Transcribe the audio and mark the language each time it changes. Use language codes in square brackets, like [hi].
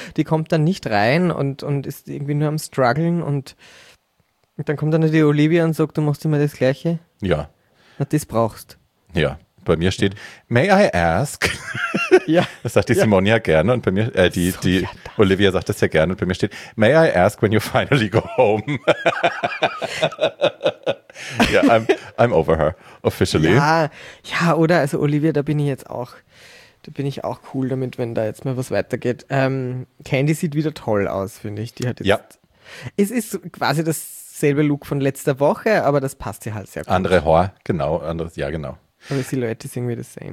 [de] Die kommt dann nicht rein und ist irgendwie nur am struggeln und dann kommt dann die Olivia und sagt, du machst immer das Gleiche. Ja. Na, das brauchst. Ja. Bei mir steht, [en] may I ask? [de] Ja. Das sagt die Simone ja gerne und bei mir, die Olivia sagt das ja gerne und bei mir steht, [en] may I ask when you finally go home? [de] Ja, [en] yeah, I'm over her, officially. [de] Ja, ja, oder? Also Olivia, da bin ich auch cool damit, wenn da jetzt mal was weitergeht. Candy sieht wieder toll aus, finde ich. Die hat jetzt. Ja. Es ist quasi dasselbe Look von letzter Woche, aber das passt ja halt sehr gut. Andere Haar, genau, anderes, ja, genau. Aber die Silhouette ist irgendwie das same.